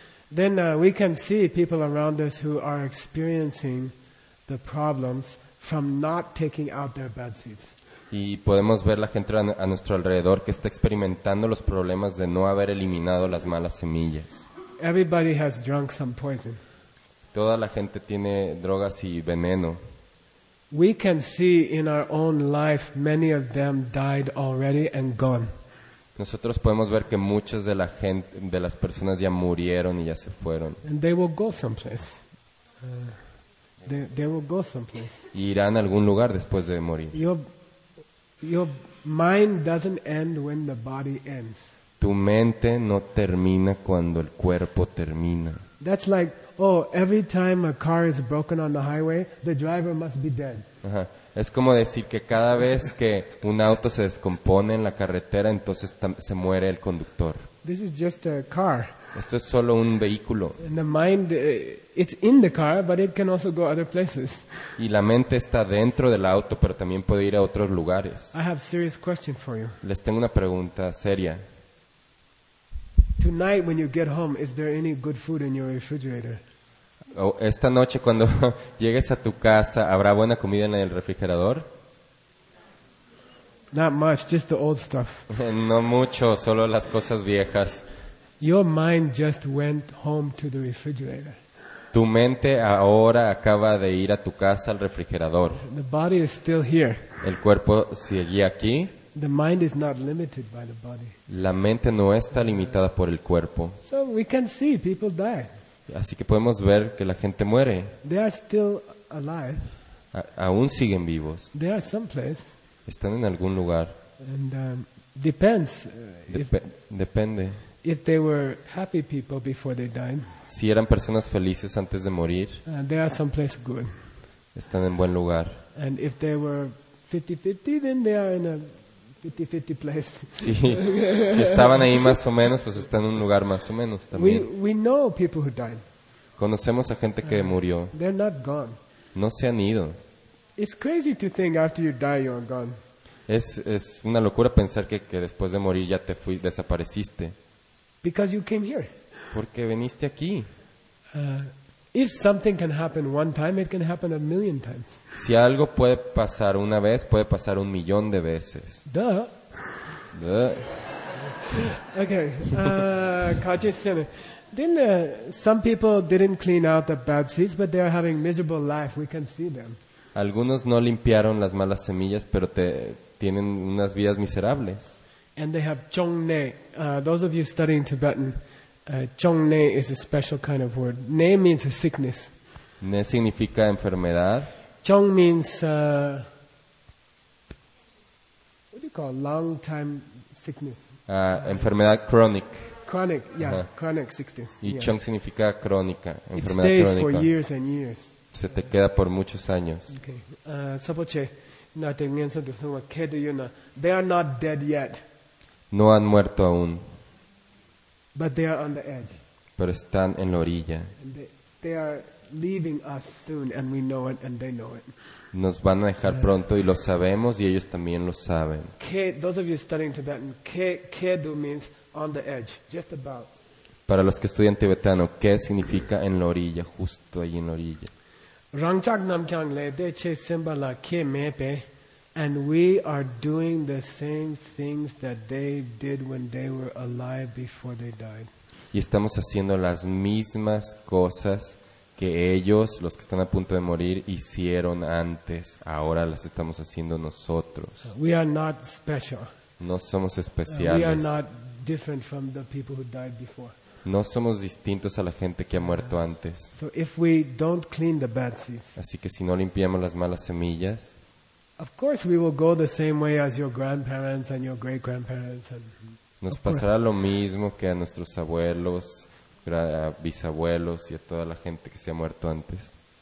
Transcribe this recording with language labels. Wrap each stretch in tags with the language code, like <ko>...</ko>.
<en>Then we can see people around us who are experiencing the problems from not taking out their bad seeds.</en> <es>Y podemos ver la gente a nuestro alrededor que está experimentando los problemas de no haber eliminado las malas semillas.</es> <en>Everybody has drunk some poison.</en> <es>Toda la gente tiene drogas y veneno.</es> <en>We can see in our own life many of them died already and gone.</en> <es>Nosotros podemos ver que muchas de la gente, de las personas ya murieron y ya se fueron.</es> <en>And they will go someplace. They will go someplace.</en> <es>Y irán a algún lugar después de morir.</es> <en>Your mind doesn't end when the body ends.</en> <es>Tu mente no termina cuando el cuerpo termina.</es> <en>That's like, every time a car is broken on the highway, the driver must be dead. Ajá.</en> <es>Es como decir que cada vez que un auto se descompone en la carretera, entonces se muere el conductor.</es> <en>This is just a car.</en> <es>Esto es solo un vehículo.</es> <en>And the mind, it's in the car, but it can also go other places.</en> <es>Y la mente está dentro del auto, pero también puede ir a otros lugares.</es> <en>I have a serious question for you.</en> <es>Les tengo una pregunta seria.</es> <en>Tonight when you get home, is there any good food in your refrigerator?</en> <es>Esta noche cuando llegues a tu casa, ¿habrá buena comida en el refrigerador?</es> <en>Not much, just the old stuff.</en> <es>No mucho, solo las cosas viejas.</es> <en>Your mind just went home to the refrigerator.</en> <es>Tu mente ahora acaba de ir a tu casa al refrigerador.</es> <en>The body is still here.</en> <es>El cuerpo sigue aquí.</es> <en>The mind is not limited by the body.</en> <es>La mente no está limitada por el cuerpo.</es> <en>So we can see people die.</en> <es>Así que podemos ver que la gente muere.</es> <en>They are still alive.</en> <es>Aún siguen vivos.</es> <en>They are someplace.</en> <es>Están en algún lugar.</es> <en>And, depends.</en> <es>Depende.</es> <en>If they were happy people before they died.</en> <es>Si eran personas felices antes de morir.</es> <en>They are someplace good.</en> <es>Están en buen lugar.</es> <en>And if they were 50-50, then they are in a 50-50 place.</en> <es>Sí. Si estaban ahí más o menos, pues están en un lugar más o menos también.</es> <en>We know people who died.</en> <es>Conocemos a gente que murió.</es> <en>They're not gone.</en> <es>No se han ido.</es> <en>It's crazy to think after you die you're gone.</en> <es>Es una locura pensar que después de morir ya te fui, desapareciste.</es> <en>Because you came here.</en> <es>Porque veniste aquí.</es> <en>If something can happen one time, it can happen a million times.</en> <es>Si algo puede pasar una vez, puede pasar un millón de veces.</es> <en>Duh.</en> <bo>Okay. Kajisena.</bo> <en>Then some people didn't clean out the bad seeds, but they are having miserable life. We can see them.</en> <es>Algunos no limpiaron las malas semillas, pero tienen unas vidas miserables.</es> <en>And they have chongne. Those of you studying Tibetan. Chongne is a special kind of word. Ne means a sickness.</en> <es>Ne significa enfermedad.</es> <en>Chong means what do you call long time sickness?</en> <es>Enfermedad chronic.</es> <en>Chronic, yeah, uh-huh. Chronic sickness.</en> <es>Y</es> <en>yeah.</en> <es>Chong significa crónica, enfermedad crónica.</es> <en>It stays for years and years.</en> <es>Se te queda por muchos años.</es> <bo>Okay. Sapoche, na tengen sa duhong akedo yun na.</bo> <en>They are not dead yet.</en> <es>No han muerto aún.</es> <en>But they are on the edge.</en> <es>Pero están en la orilla.</es> <en>They are leaving us soon, and we know it, and they know it.</en> <es>Nos van a dejar pronto, y lo sabemos, y ellos también lo saben.</es> <en>Those of you studying Tibetan, kedu means on the edge, just about.</en> <es>Para los que estudian tibetano, ke significa en la orilla, justo ahí en la orilla.</es> <bo>Rangchak namkyang le de che simba la ke mepe,</bo> <en>and we are doing the same things that they did when they were alive before they died.</en> <es>Y estamos haciendo las mismas cosas que ellos, los que están a punto de morir, hicieron antes. Ahora las estamos haciendo nosotros.</es> <en>We are not special.</en> <es>No somos especiales.</es> <en>We are not different from the people who died before.</en> <es>No somos distintos a la gente que ha muerto antes.</es> <en>So if we don't clean the bad seeds,</en> <es>así que si no limpiamos las malas semillas,</es> <en>of course we will go the same way as your grandparents and your great grandparents.</en> <es>Nos pasará lo mismo que a nuestros abuelos, a bisabuelos y a toda la gente que se ha muerto antes.</es>